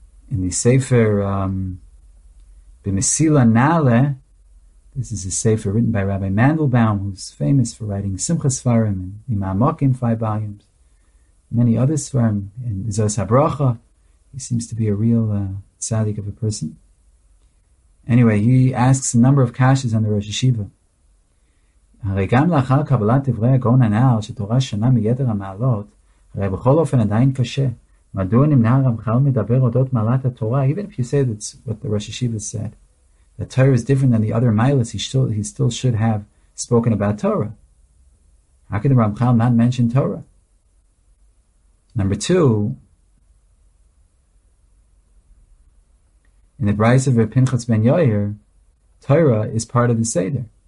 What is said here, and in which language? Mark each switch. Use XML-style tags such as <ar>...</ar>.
<en>In the Sefer B'Mesila Nale, this is a Sefer written by Rabbi Mandelbaum, who's famous for writing Simchas Svarim and the Ma'amokim, five volumes, many other Svarim, and Zos HaBracha. He seems to be a real tzaddik of a person. Anyway, he asks a number of kashas on the Rosh Yeshiva.</en> <he>הרי גם לאחר קבלת דברי הגאון הנער, שתורה שונה מיתר המעלות, הרי בכל אופן עדיין קשה. מדוע נמנע הרמח"ל מדבר אודות מעלת התורה?</he> <en>Even if you say that's what the Rosh Yeshiva said, the Torah is different than the other milas, he still should have spoken about Torah. How could the Ramchal not mention Torah? Number two, in the Brayse of Pinchas ben Yair, Torah is part of the Seder.</en>